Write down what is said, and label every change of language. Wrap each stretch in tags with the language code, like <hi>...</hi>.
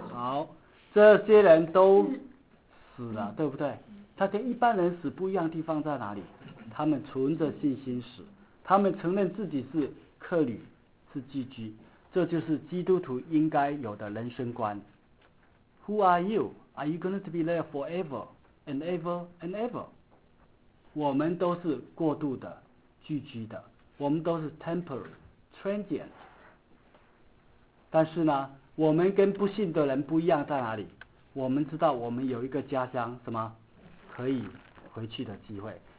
<zh>好，这些人都死了，对不对？他跟一般人死不一样的地方在哪里？他们存着信心死，他们承认自己是客旅，是寄居，这就是基督徒应该有的人生观。</zh> <en>Who are you? Are you going to be there forever and ever and ever?</en> <zh>我们都是过度的、寄居的，我们都是</zh> <en>temporary, transient。</en> <zh>但是呢，我们跟不信的人不一样在哪里？我们知道我们有一个家乡，什么可以回去的机会。</zh>